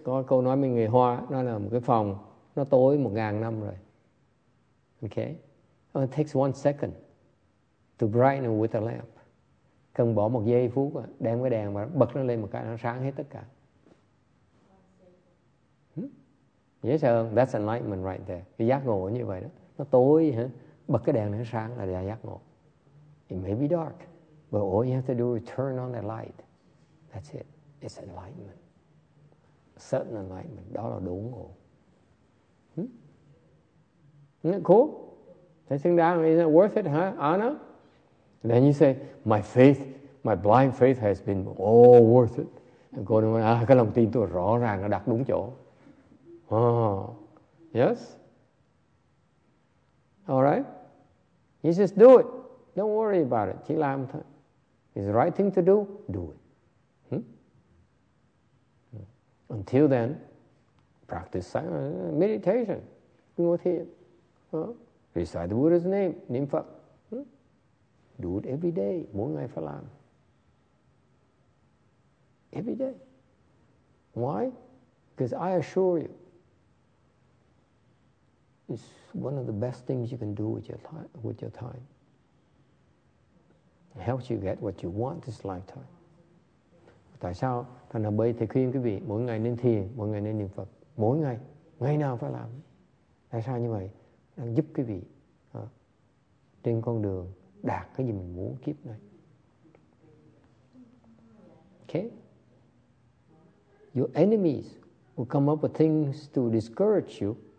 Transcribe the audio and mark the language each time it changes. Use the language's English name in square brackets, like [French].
[Vietnamese] Có câu nói mình người Hoa, nó là một cái phòng, nó tối 1,000 năm rồi. [English] Okay? It takes 1 second to brighten it with a lamp. [Vietnamese] Cần bỏ 1 giây phút, đem cái đèn và bật nó lên một cái, nó sáng hết tất cả. Dễ sợ không? [English] That's enlightenment right there. [Vietnamese] Cái giác ngộ như vậy đó. Nó tối, hả? Bật cái đèn nó sáng là giác ngộ. [English] It may be dark, but all you have to do is turn on the light. That's it. It's enlightenment. Certain enlightenment. [Vietnamese] Đó là đủ ngộ. [English] Isn't that cool? [Vietnamese] Thấy xứng đáng? [English] Isn't it worth it, huh, Anna? And then you say, my faith, my blind faith has been all worth it. And go to my, [Vietnamese] cái lòng tin tôi rõ ràng nó đặt đúng chỗ. [English] Yes? All right? You just do it. Don't worry about it. [Vietnamese] Chỉ làm thôi. [English] It's the right thing to do. Do it. Until then, practice meditation. [Vietnamese] Ngồi thiền. [English] Recite the Buddha's name. [Vietnamese] Niệm Phật. [English] Do it every day. [Vietnamese] Mỗi ngày phải làm. [English] Every day. Why? Because I assure you, it's one of the best things you can do with your time. helps you get what you want this lifetime. [Vietnamese] Tại sao thành thật bây thì khuyên quý vị mỗi ngày nên thiền, mỗi ngày nên niệm Phật, mỗi ngày, ngày nào phải làm. Tại sao như vậy? Đang giúp quý vị trên con đường đạt cái gì mình muốn kiếp này. [English] Okay. Your enemies will come up with things to discourage you.